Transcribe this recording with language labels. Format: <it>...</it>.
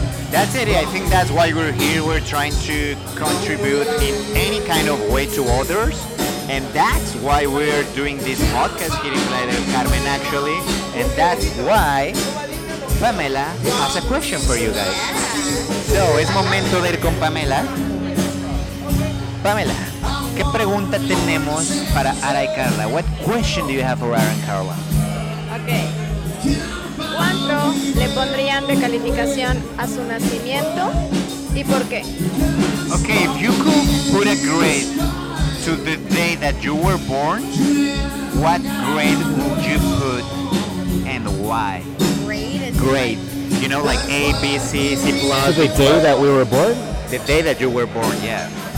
<en>That's it. I think that's why we're here. We're trying to contribute in any kind of way to others. And that's why we're doing this podcast here in Playa del Carmen, actually. And that's why Pamela has a question for you guys.</en> <es>So, es momento de ir con Pamela. Pamela, ¿qué pregunta tenemos para Ara y Carla?</es> <en>What question do you have for Ara and Carla? Okay.</en> <es>¿Cuánto le pondrían de calificación a su nacimiento y por qué?</es> <en>Okay, if you could put a grade to the day that you were born, what grade would you put and why? Grade. You know, like A, B, C, C plus. The day that we were born? The day that you were born, yeah.</en>